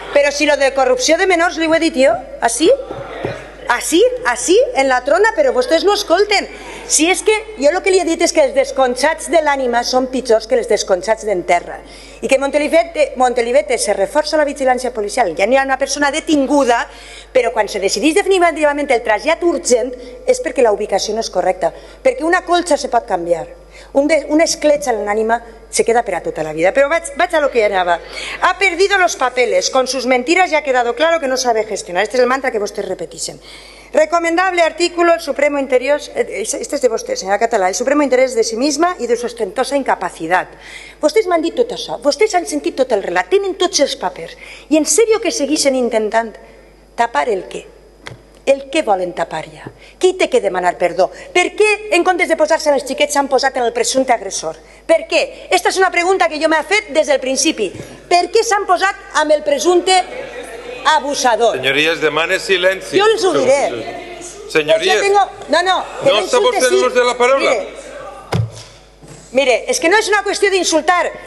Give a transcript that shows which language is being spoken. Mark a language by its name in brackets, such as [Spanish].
[Spanish] Pero si lo de corrupción de menores le iba a decir yo, ¿así? Así, así, [Catalan] en la trona, pero vostès no escolten. Si és que, jo el que li he dit és que els desconxats de l'ànima són pitjors que els desconxats d'enterra. I que Montelivete se reforça la vigilància policial, ja n'hi ha una persona detinguda, però quan se decideix definitivament el trasllat urgent és perquè la ubicació no és correcta. Perquè una colxa se pot canviar. una escletxa en l'ànima se queda per a tota la vida. Però vaig a lo que anava. [Spanish] Ha perdido los papeles, con sus mentiras ya ha quedado claro que no sabe gestionar. Este es el mantra que [Catalan] vostès repetixen. [Spanish] Recomendable artículo, el supremo interés, este es de vostè, senyora Català, el supremo interés de sí misma [Catalan] i de sostentosa incapacitat. Vostès m'han dit tot això, vostès han sentit tot el relat, tenen tots els papers, i en sèrio que segueixen intentant tapar el què? El què volen tapar ja? Qui té que demanar perdó? Per què, en comptes de posar-se en els xiquets, s'han posat en el presumpte agressor? Per què? Esta és una pregunta que jo m'he fet des del principi. Per què s'han posat en el presumpte abusador? [Spanish] Señorías, demane silencio. Yo les ho diré. Señorías. No está usted en uso de la palabra. Mire, es que no es una cuestión de insultar.